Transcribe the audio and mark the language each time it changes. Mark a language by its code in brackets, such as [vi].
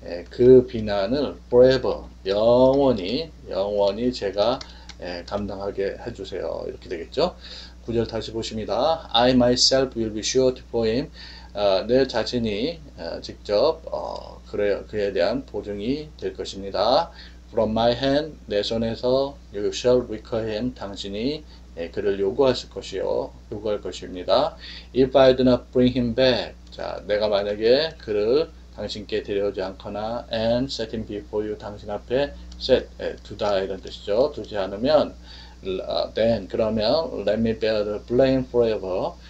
[ko] 그 비난을 forever, 영원히 제가 감당하게 해주세요. 이렇게 되겠죠. 9절 다시 보십니다. [en] I myself will be surety for him. [ko] 내 자신이 직접 그에 대한 보증이 될 것입니다. [en] From my hand, [ko] 내 손에서 [en] you shall require him. [ko] 당신이 그를 요구할 것입니다. [en] If I do not bring him back, [ko] 자, 내가 만약에 그를 당신께 데려오지 않거나 [en] and set him before you, [ko] 당신 앞에 두다 이런 뜻이죠. 두지 않으면 [en] then [ko] 그러면 [en] let me bear the blame forever.